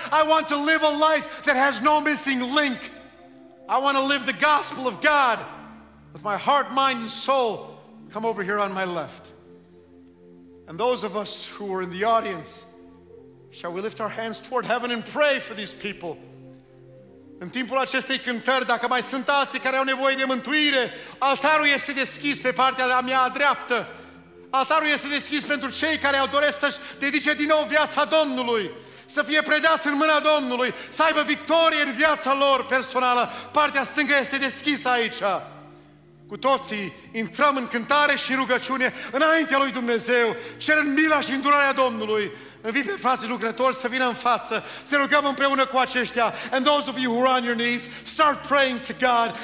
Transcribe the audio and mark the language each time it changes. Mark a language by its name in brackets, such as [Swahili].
[English] I want to live a life that has no missing link. I want to live the gospel of God with my heart, mind, and soul. Come over here on my left. And those of us who are in the audience, shall we lift our hands toward heaven and pray for these people? [Romanian] În timpul acestei cântări, dacă mai sunt alții care au nevoie de mântuire, altarul este deschis pe partea a mea dreaptă. Altarul este deschis pentru cei care au doresc să-și dedice din nou viața Domnului, să fie predați în mâna Domnului, să aibă victorie în viața lor personală. Partea stângă este deschisă aici. Cu toții intrăm în cântare și rugăciune înaintea lui Dumnezeu, cerând mila și îndurarea Domnului. Invite pe frații lucrători să vină în față, să rugăm împreună cu aceștia. [English] And those of you who are on your knees, start praying to God.